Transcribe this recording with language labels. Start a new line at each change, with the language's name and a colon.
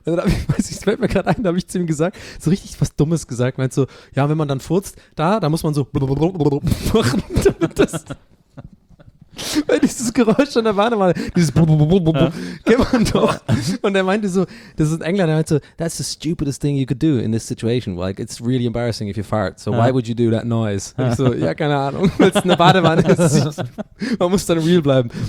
German: Und dann fällt mir gerade ein, da habe ich zu ihm gesagt, so richtig was Dummes gesagt, meinst so, ja, wenn man dann furzt, da muss man so machen, damit das... Weil dieses Geräusch an der Badewanne, dieses kennt man doch. Und er meinte so, das ist ein Engländer, der meinte so,
English: that's the stupidest thing you could do in this situation. Like, it's really embarrassing if you fart. So why would you do that noise?
German: Und ich so, ja, keine Ahnung, weil es eine Badewanne ist. Man muss dann real bleiben.